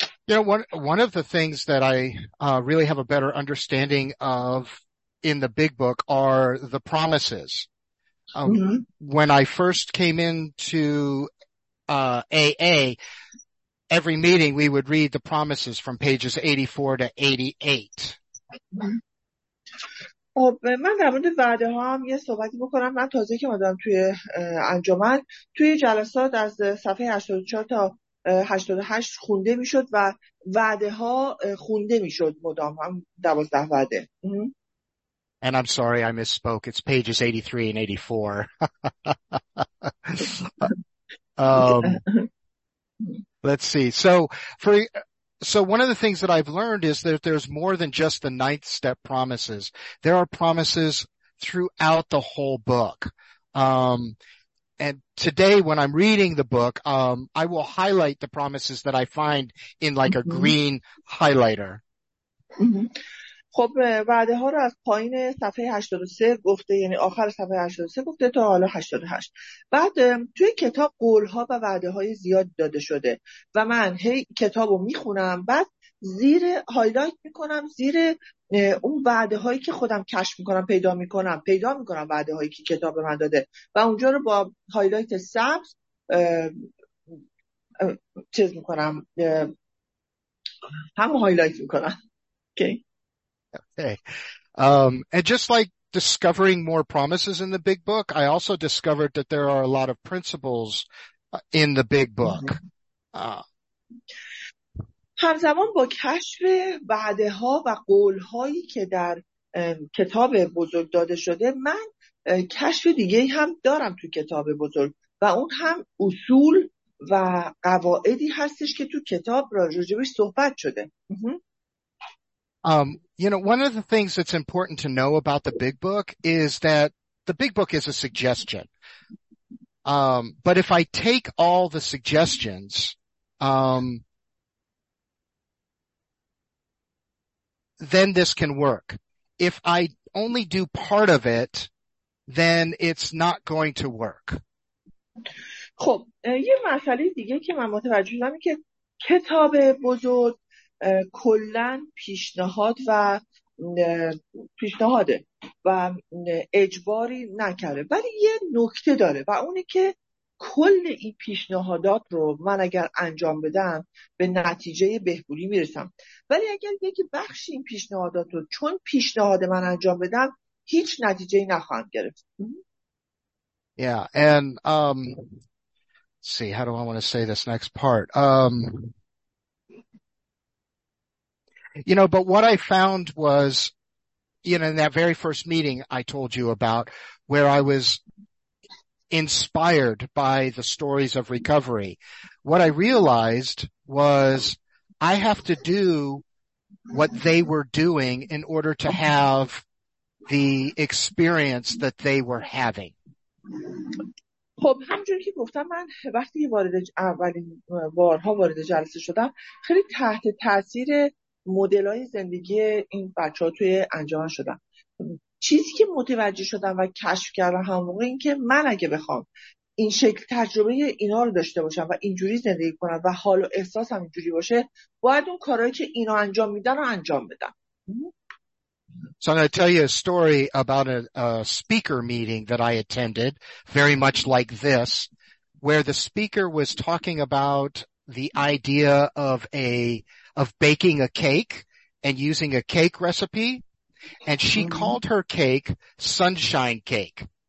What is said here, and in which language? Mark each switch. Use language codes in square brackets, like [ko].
[en] You know, one of the things that I really have a better understanding of in the big book are the promises. When I first came into AA, every meeting we would read the promises from pages 84 to 88. [fa] خب من در مورد وعده ها هم یه صحبتی بکنم. من تازه که اومدم توی انجمن، توی جلسات از صفحه 84 تا 88 خونده میشد و وعده ها خونده میشد مدام، هم 12 وعده. [en] And I'm sorry I misspoke. It's pages 83 and 84. let's see. So one of the things that I've learned is that there's more than just the ninth step promises. There are promises throughout the whole book. And today when I'm reading the book, I will highlight the promises that I find in like a green highlighter. [fa] خب وعده ها رو از پایین صفحه 83 گفته، یعنی آخر صفحه 83 گفته تا حالا 88. بعد توی کتاب قول ها و وعده های زیاد داده شده و من هی کتاب رو میخونم، بعد زیر هایلایت میکنم، زیر اون وعده هایی که خودم کشف میکنم پیدا میکنم وعده هایی که کتاب من داده و اونجا رو با هایلایت سبز چیز میکنم، همه هایلایت میکنم. اوکی [en] okay. Okay. And just like discovering more promises in the big book, I also discovered that there are a lot of principles in the big book. [fa] همزمان با کشف وعده ها و قول هایی که در کتاب بزرگ داده شده، من کشف دیگه هم دارم تو کتاب بزرگ و اون هم اصول و قواعدی هستش که تو کتاب راجبش صحبت شده. [en] You know, one of the things that's important to know about the big book is that the big book is a suggestion. But if I take all the suggestions, then this can work. If I only do part of it, then it's not going to work. [fa] خب یه مسئله دیگه که من متوجه شدم که کتاب بزرگ کلن پیشنهاد و پیشنهاده و اجباری نکرده، ولی یه نکته داره و اونه که کل این پیشنهادات رو من اگر انجام بدم به نتیجه بهبودی میرسم، ولی اگر یکی بخش این پیشنهادات رو چون پیشنهاد من انجام بدم هیچ نتیجه نخواهم گرفت. [en] Yeah, and see, how do I want to say this next part? You know, but what I found was, you know, in that very first meeting I told you about where I was inspired by the stories of recovery, what I realized was I have to do what they were doing in order to have the experience that they were having. [fa] خب همونجوری که گفتم، من وقتی اولین بارها وارد جلسه شدم خیلی تحت تاثیر مدل‌های زندگی این بچه‌ها توی انجمن شدم. چیزی که متوجه شدم و کشف کردم همون موقع این که من اگه بخوام این شکل تجربه اینا رو داشته باشم و اینجوری زندگی کنم و حال و احساسم اینجوری باشه، باید اون کارهایی که اینا انجام میدن رو انجام بدم. [en] So I'm going to tell you a story about a speaker meeting that I attended, very much like this, where the speaker was talking about the idea of baking a cake and using a cake recipe, and she called her cake sunshine cake.